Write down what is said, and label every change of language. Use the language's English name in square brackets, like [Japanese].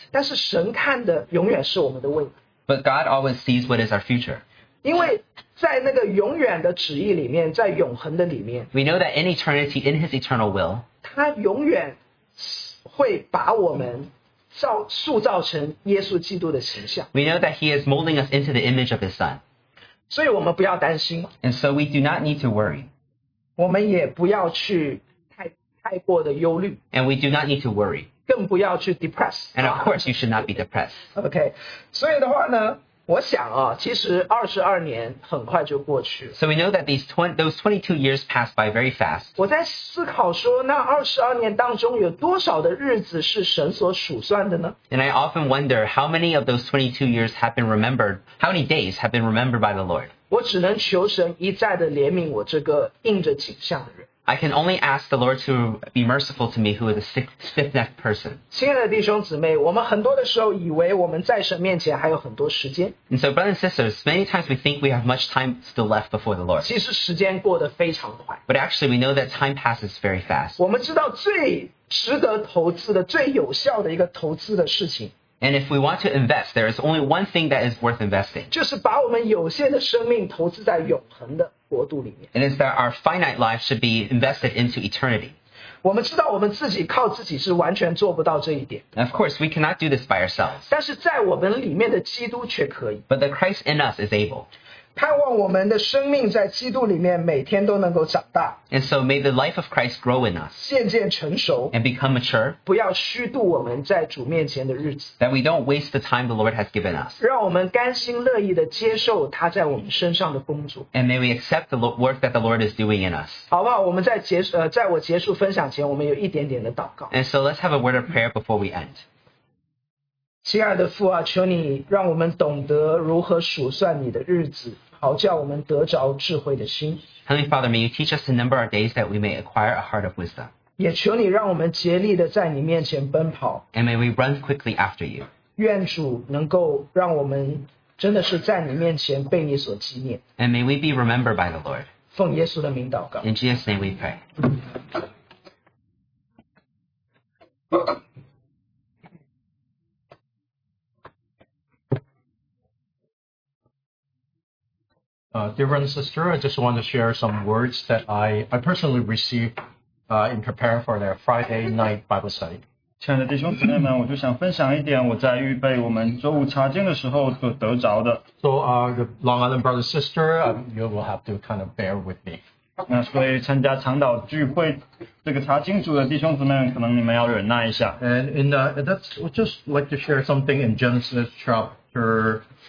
[Chinese] 但是神看的永远是我们的未来。 [English] But God always sees what is our future. [Chinese] 因为在那个永远的旨意里面，在永恒的里面， [English] We know that in eternity, in His eternal will, [Chinese] 他永远会把我们塑造成耶稣基督的形象。 [English] We know that He is molding us into the image of His Son. [Chinese] 所以我们不要担心。 [English] And so we do not need to worry. [Chinese] 我们也不要去太过的忧虑。 [English] And we do not need to worry. [Chinese] 更不要去 [English] depress. And of course, you should not be depressed. [Chinese] Okay, 所以的话呢，我想啊，其实22年很快就过去了。 [English] So we know that those 22 years passed by very fast. [Chinese] 我在思考说，那22年当中有多少的日子是神所数算的呢？ [English] And I often wonder how many of those 22 years have been remembered, how many days have been remembered by the Lord. [Chinese] 我只能求神一再的怜悯我这个硬着景象的人。 [English] I can only ask the Lord to be merciful to me who is a stiff-necked person. [Chinese] 亲爱的弟兄姊妹，我们很多的时候以为我们在神面前还有很多时间。 [English] And so, brothers and sisters, many times we think we have much time still left before the Lord. [Chinese] 其实时间过得非常快。 [English] But actually, we know that time passes very fast. [Chinese] 我们知道最值得投资的、最有效的一个投资的事情。 [English] And if we want to invest, there is only one thing that is worth investing. [Chinese] 就是把我们有限的生命投资在永恒的国度里面。 [English] And it's that our finite life should be invested into eternity. [Chinese] 我们知道我们自己靠自己是完全做不到这一点。 [English] Of course, we cannot do this by ourselves. [Chinese] 但是在我们里面的基督却可以。 [English] But the Christ in us is able. [Chinese] 盼望我们的生命在基督里面每天都能够长大。 [English] And so may the life of Christ grow in us. [Chinese] 渐渐成熟。 [English] And become mature. [Chinese] 不要虚度我们在主面前的日子。 [English] That we don't waste the time the Lord has given us. [Chinese] 让我们甘心乐意地接受他在我们身上的工作。 [English] And may we accept the work that the Lord is doing in us. [Chinese] 好不好，我们在我结束分享前，我们有一点点的祷告。 [English] And so let's have a word of prayer before we end. [Chinese] 亲爱的父啊，求你让我们懂得如何数算你的日子，好叫我们得着智慧的心。 [English] Heavenly Father, may you teach us to number our days that we may acquire a heart of wisdom. [Chinese] 也求你让我们竭力地在你面前奔跑。 [English] And may we run quickly after you. [Chinese] 愿主能够让我们真的是在你面前被你所纪念。 [English] And may we be remembered by the Lord. [Chinese] 奉耶稣的名祷告。 [English] In Jesus' name we pray. Dear brother and sister, I just want to share some words that I personally received in preparing for their Friday night Bible study. [Chinese] 亲爱的弟兄姊妹们，我就想分享一点我在预备我们周五查经的时候所得着的。 [English] So, the Long Island brother and sister, you will have to kind of bear with me. [Chinese] 那所以参加长岛聚会这个查经组的弟兄姊妹们，可能你们要忍耐一下。 [English] And in that's, we'd just like to share something in Genesis chapter.